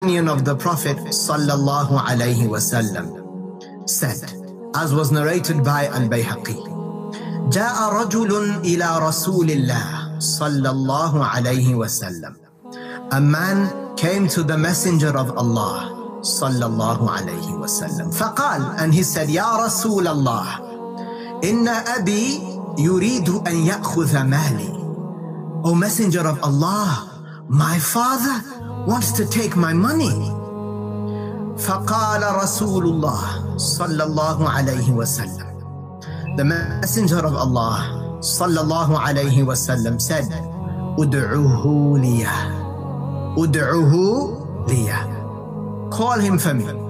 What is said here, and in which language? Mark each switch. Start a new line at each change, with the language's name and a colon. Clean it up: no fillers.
English: companion of the Prophet sallallahu alayhi wasallam said, as was narrated by Al-Bayhaqi,
Arabic: جَاءَ رَجُلٌ إِلَىٰ رَسُولِ اللَّهِ صَلَّى اللَّهُ عَلَيْهِ وَسَلَّمْ.
English: A man came to the messenger of Allah
Arabic: صَلَّى اللَّهُ عَلَيْهِ وَسَلَّمْ. فَقَالْ,
English: and he said,
Arabic: يَا رَسُولَ اللَّهِ إِنَّ أَبِي يُرِيدُ أَنْ يَأْخُذَ مَالِي.
English: O messenger of Allah, my father wants to take my money.
Arabic: فَقَالَ رَسُولُ اللَّهِ صَلَّى اللَّهُ عَلَيْهِ وَسَلَّمْ.
English: The Messenger of Allah sallallahu alayhi wa sallam said,
Arabic: Ud'uhu liya, Ud'uhu liya,
English: call him for me.